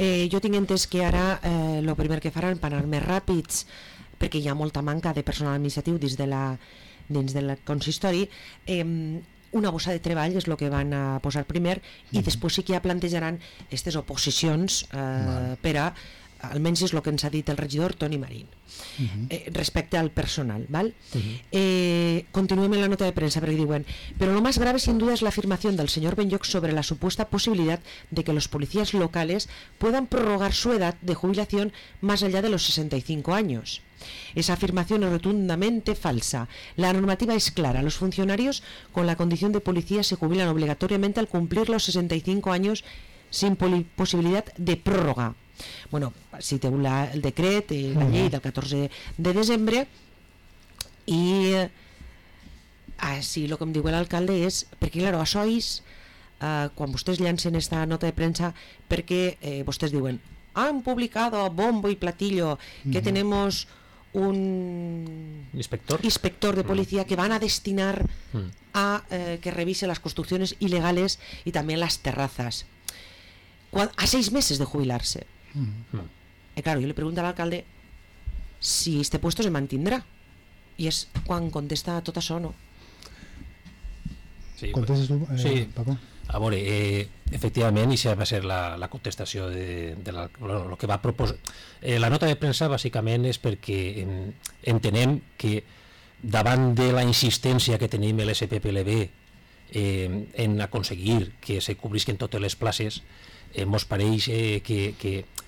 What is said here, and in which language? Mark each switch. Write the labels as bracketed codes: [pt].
[ca] Jo tinc entès que ara el primer que faran per anar més ràpids, perquè hi ha molta manca de personal administratiu dins del consistori, una bossa de treball és el que van a posar primer i després sí que ja plantejaran aquestes oposicions per a, almenys és el que ens ha dit el regidor Toni Marín, respecte al personal. Val? Continuem en la nota de premsa perquè diuen, [es] però lo más grave sin duda es la afirmación del señor Benlloc sobre la supuesta posibilidad de que los policías locales puedan prorrogar su edad de jubilación más allá de los 65 años. Esa afirmación es rotundamente falsa. La normativa es clara. Los funcionarios con la condición de policía se jubilan obligatoriamente al cumplir los 65 años sin posibilidad de prórroga. [ca] Bueno, si te habla el decret, la llei del 14 de desembre, i així el que em diu l'alcalde és, perquè claro, a sois, quan vostès llancen esta nota de premsa, perquè vostès diuen, [es] han publicado bombo y platillo que tenemos un inspector de policía que van a destinar a que revise las construcciones ilegales y también las terrazas a 6 meses de jubilarse. Claro, yo le pregunto al alcalde si este puesto se mantendrá y [ca] es quan contesta tot això, no? Sí, contestes tu, sí. Paco? A veure, efectivament, això va ser la contestació de lo que va proposar. La nota de premsa, bàsicament, és perquè entenem que davant de la insistència que tenim l'SPPLB en aconseguir que se cobrisquen totes les places, ens pareix que